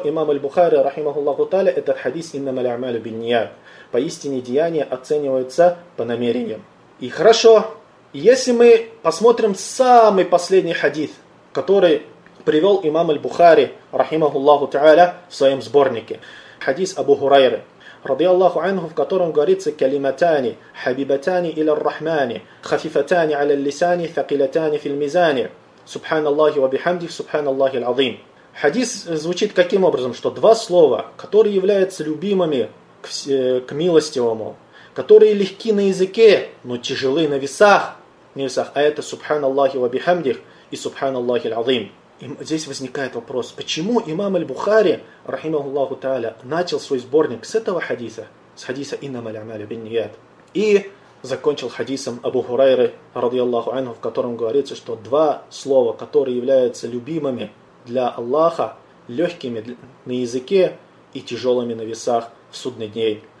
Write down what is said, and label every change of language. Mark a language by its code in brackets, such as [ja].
[ru] Имам аль-Бухари, рахимахуллаху та'аля, это хадис [ar] «Иннама ля'малю бинният». [ru] Поистине деяния оцениваются по намерениям. И хорошо, если мы посмотрим самый последний хадис, который привел имам аль-Бухари, рахимахуллаху та'аля, в своем сборнике. Хадис Абу Хурайры, [ar] رضي الله عنه, [ru] в котором говорится [ar] كلمتان حبيبتان إلى الرحمن خفيفتان على اللسان ثقيلتان في الميزان سبحان الله وبحمده سبحان الله العظيم. [ru] Хадис звучит каким образом, что два слова, которые являются любимыми к милостивому, которые легки на языке, но тяжелы на весах, а это [ar] «Субхан Аллахи ва бихамдих» [ru] и [ar] «Субхан Аллахи л'азим». [ru] Здесь возникает вопрос, почему имам Аль-Бухари, рахимахуллаху та'аля, начал свой сборник с этого хадиса, с хадиса [ar] «Иннама л'амали бин-ният», [ru] и закончил хадисом Абу Хурайры, радиаллаху анху, в котором говорится, что два слова, которые являются любимыми для Аллаха, легкими на языке и тяжелыми на весах в судный день.